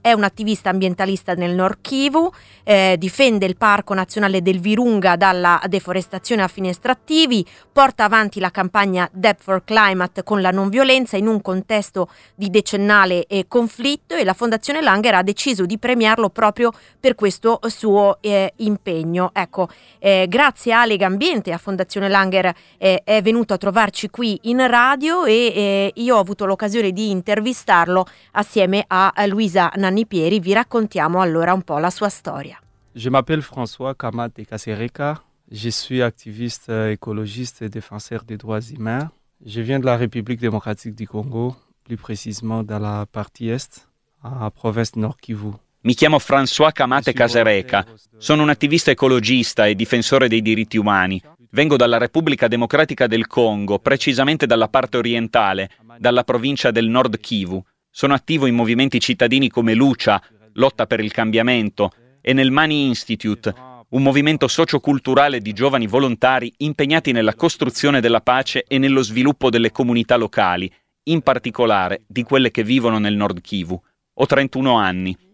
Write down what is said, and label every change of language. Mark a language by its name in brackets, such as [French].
[Italian] È un attivista ambientalista nel Nord Kivu, difende il Parco Nazionale del Virunga dalla deforestazione a fini estrattivi, porta avanti la campagna Debt for Climate con la non violenza in un contesto di decennale conflitto, e la Fondazione Langer ha deciso di premiarlo proprio per questo suo impegno. Ecco, grazie a Lega Ambiente, a Fondazione Langer, è venuto a trovarci qui in radio e io ho avuto l'occasione di intervistarlo assieme a Luisa Nannipieri. Vi raccontiamo allora un po' la sua storia. [French] Je m'appelle François Kamate Kasereka, je suis activiste écologiste et défenseur des droits humains. Je viens de la République démocratique du Congo, plus précisément dans la partie est, à la province Nord Kivu. [Italian] Mi chiamo François Kamate Kasereka, sono un attivista ecologista e difensore dei diritti umani. Vengo dalla Repubblica Democratica del Congo, precisamente dalla parte orientale, dalla provincia del Nord Kivu. Sono attivo in movimenti cittadini come Lucha, Lotta per il Cambiamento, e nel Mani Institute, un movimento socioculturale di giovani volontari impegnati nella costruzione della pace e nello sviluppo delle comunità locali, in particolare di quelle che vivono nel Nord Kivu. Ho 31 anni.